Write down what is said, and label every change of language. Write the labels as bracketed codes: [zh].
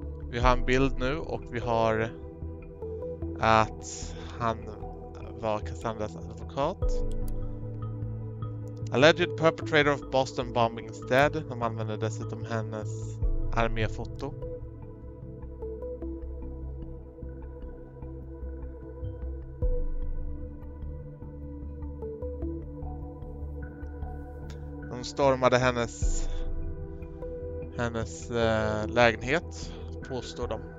[sv] Vi har en bild nu och vi har att han var Cassandras advokat. [en] Alleged perpetrator of Boston bombing is dead. [sv] De använde dessutom hennes arméfoto. De stormade hennes lägenhet, påstår de.